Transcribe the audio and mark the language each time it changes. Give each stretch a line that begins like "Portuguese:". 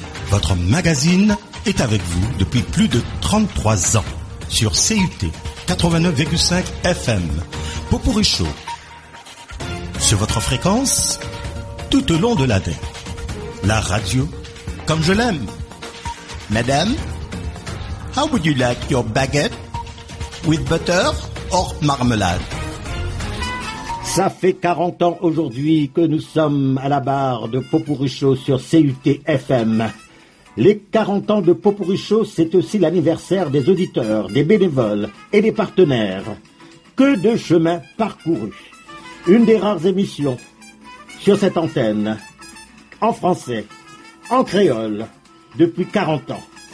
French: Votre magazine est avec vous depuis plus de 33 ans. Sur CUT 89,5 FM, Popouri Show, sur votre fréquence, tout au long de l'année, la radio, comme je l'aime.
English: Madame, how would you like your baguette, with butter or marmalade?
French: Ça fait 40 ans aujourd'hui que nous sommes à la barre de Popouri Show sur CUT FM. Les 40 ans de Pot-Pourri Show, c'est aussi l'anniversaire des auditeurs, des bénévoles et des partenaires. Que de chemin parcouru. Une des rares émissions sur cette antenne, en français, en créole, depuis 40 ans.